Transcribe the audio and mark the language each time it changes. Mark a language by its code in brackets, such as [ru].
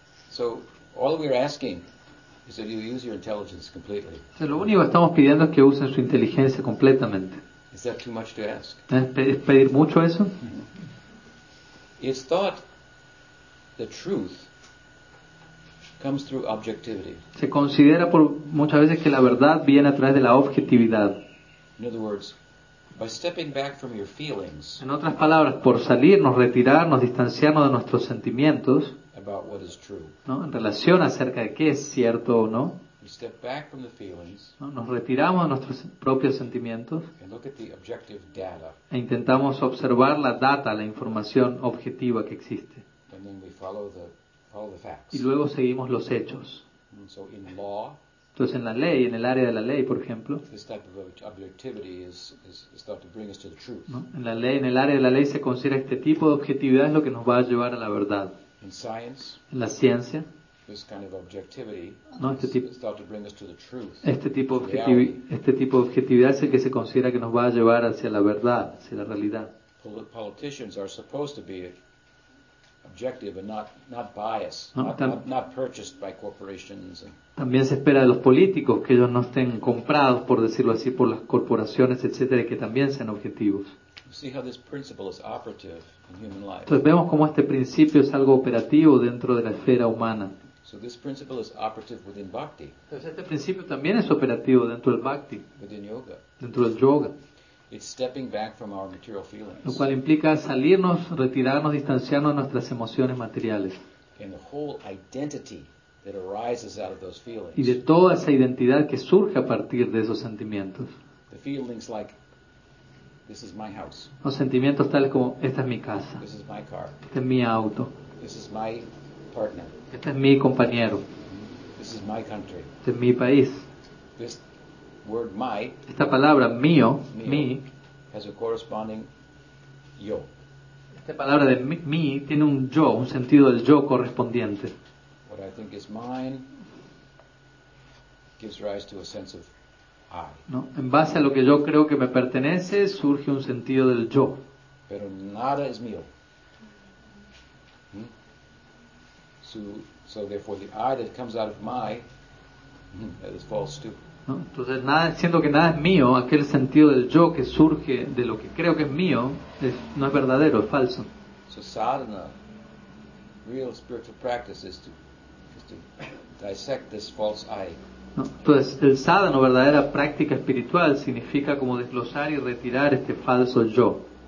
[en] So, all we're asking is that you use your intelligence completely. [es] Lo único que estamos pidiendo es que usen su inteligencia completamente. [en] Is that too much to ask? [es] ¿Es pedir mucho eso? [en] It's thought the truth comes through objectivity. [es] Se considera por muchas veces que la verdad viene a través de la objetividad. [en] In other words, by stepping back from your feelings. [es] En otras palabras, por salirnos, retirarnos, distanciarnos de nuestros sentimientos. [en] About what is true. [es] ¿No? En relación acerca de qué es cierto o no. [en] We step back from the feelings, [es] ¿no? Nos retiramos de nuestros propios sentimientos. [en] And look at the objective data. [es] E intentamos observar la data, la información objetiva que existe. [en] And then we follow the facts. [es] Y luego seguimos los hechos. [en] So in law, [es] entonces en la ley, en el área de la ley, por ejemplo, [en] this type of objectivity is thought to bring us to the truth. [es] ¿No? En la ley, en el área de la ley se considera este tipo de objetividad es lo que nos va a llevar a la verdad. [en] In science, [es] en la ciencia, [en] this kind of objectivity, [es] ¿no? [en] is thought to bring us to the truth, [es] este tipo de objetividad es el que se considera que nos va a llevar hacia la verdad, hacia la realidad. [en] Politicians are supposed to be objective and not biased, [es] ¿no? [en] not purchased by corporations. [es] También se espera de los políticos que ellos no estén comprados, por decirlo así, por las corporaciones, etcétera, y que también sean objetivos. [en] See how this principle is operative in human life. [es] Entonces vemos cómo este principio es algo operativo dentro de la esfera humana. [en] So this principle is operative within bhakti. [es] Entonces este principio también es operativo dentro del bhakti. [en] Within yoga. [es] Dentro del yoga. [en] It's stepping back from our material feelings. [es] Lo cual implica salirnos, retirarnos, distanciarnos de nuestras emociones materiales. [en] And the whole identity that arises out of those feelings. [es] Y de toda esa identidad que surge a partir de esos sentimientos. [en] The feelings like, this is my house. [es] Los sentimientos tales como, esta es mi casa. [en] This is my car. [es] Este es mi auto. [en] This is my partner. [es] Este es mi compañero. [en] This is my country. [es] Este es mi país. [en] This word my, [es] esta palabra mío, [en] has a corresponding yo. [es] Esta palabra de mí tiene un yo, un sentido del yo correspondiente. [en] What I think is mine gives rise to a sense of, [es] ¿no? En base a lo que yo creo que me pertenece, surge un sentido del yo. Pero nada es mío. [en] So therefore the I that comes out of my, that is false too. [es] ¿No? Entonces, nada, siendo que nada es mío, aquel sentido del yo que surge de lo que creo que es mío, no es verdadero, es falso. [en] So sadhana, real spiritual practice is to dissect this false I. [es] No. Entonces, el sadhana, verdadera práctica espiritual, significa como desglosar y retirar este falso yo.